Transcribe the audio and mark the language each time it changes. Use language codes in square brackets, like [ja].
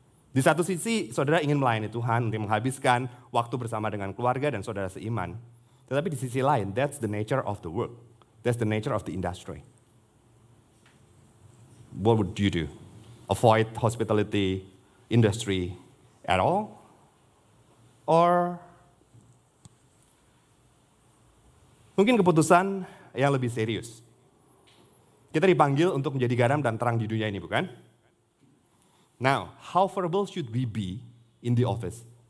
[id] Di satu sisi, saudara ingin melayani Tuhan, untuk menghabiskan waktu bersama dengan keluarga dan saudara seiman. Tetapi di sisi lain, [en] that's the nature of the work. That's the nature of the industry. What would you do? Avoid hospitality industry at all? [id] Or mungkin keputusan yang lebih serius. Kita dipanggil untuk menjadi garam dan terang di dunia ini, bukan? [en] Now, how verbal should we be in the office?